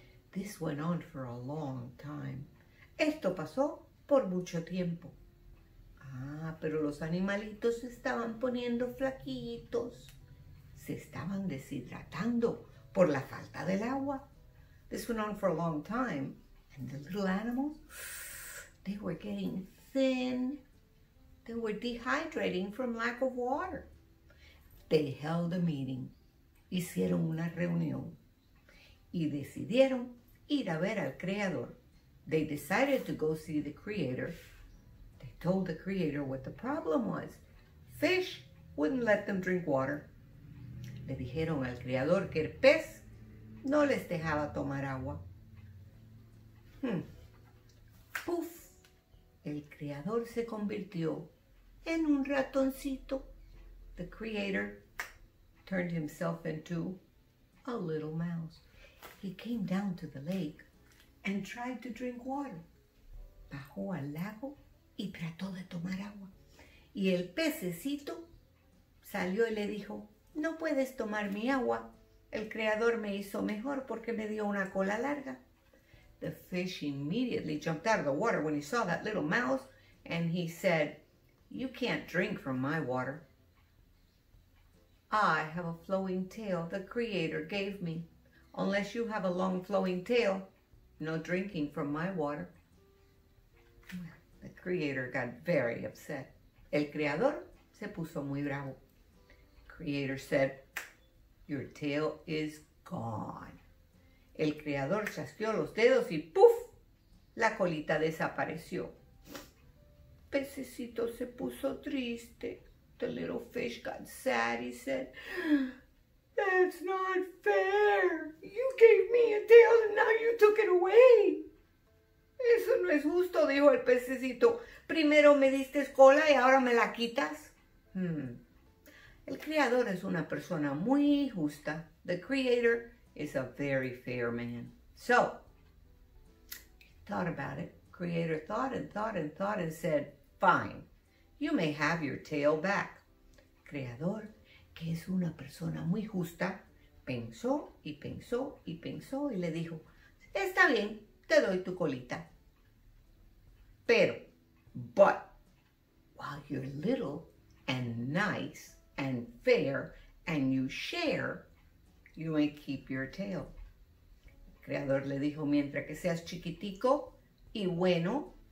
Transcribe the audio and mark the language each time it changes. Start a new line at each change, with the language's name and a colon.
English: This went on for a long time.
Spanish: Esto pasó por mucho tiempo. Ah, pero los animalitos estaban poniendo flaquitos. Se estaban deshidratando por la falta del agua.
English: This went on for a long time. And the little animals, they were getting thin. They were dehydrating from lack of water. They held a meeting.
Spanish: Hicieron una reunión. Y decidieron ir a ver al Creador.
English: They decided to go see the Creator. They told the Creator what the problem was. Fish wouldn't let them drink water.
Spanish: Le dijeron al Creador que el pez no les dejaba tomar agua. ¡Puf! El Creador se convirtió en un ratoncito.
English: The Creator turned himself into a little mouse. He came down to the lake and tried to drink water.
Spanish: Bajó al lago y trató de tomar agua. Y el pececito salió y le dijo, "No puedes tomar mi agua. El Creador me hizo mejor porque me dio una cola larga."
English: The fish immediately jumped out of the water when he saw that little mouse, and he said, "You can't drink from my water. I have a flowing tail the Creator gave me. Unless you have a long flowing tail, no drinking from my water." The Creator got very upset.
Spanish: El Creador se puso muy bravo.
English: Creator said, "Your tail is gone."
Spanish: El Creador chasqueó los dedos y ¡puf! La colita desapareció. Pececito se puso triste.
English: The little fish got sad. He said, "That's not fair. You gave me a tail and now you took it away."
Spanish: Eso no es justo, dijo el pececito. Primero me diste cola y ahora me la quitas. El Creador es una persona muy justa.
English: The Creator is a very fair man. So, thought about it. Creator thought and thought and thought and said, "Fine, you may have your tail back."
Spanish: Creador, que es una persona muy justa, pensó y pensó y pensó y le dijo, "Está bien, te doy tu colita.
English: Pero, but, while you're little and nice and fair, and you share, you may keep your tail."
Spanish: El Creador le dijo, "Mientras que seas chiquitico y bueno,